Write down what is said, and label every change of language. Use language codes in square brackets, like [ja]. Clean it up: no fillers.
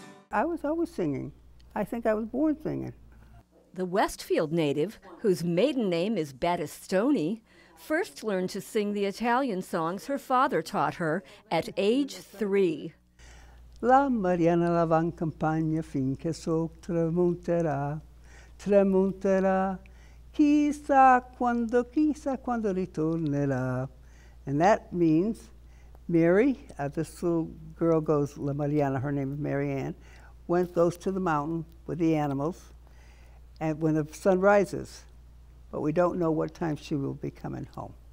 [en] I was always singing. I think I was born singing. The Westfield native, whose maiden name is Battistoni, first learned to sing the Italian songs her father taught her at age 3. [it] La Mariana la van campagna finché sol tramonterà, tramonterà, chissà quando ritornerà. [en] And that means, Mary, this little girl goes, La Mariana, her name is Marianne, goes to the mountain with the animals and when the sun rises, but we don't know what time she will be coming home.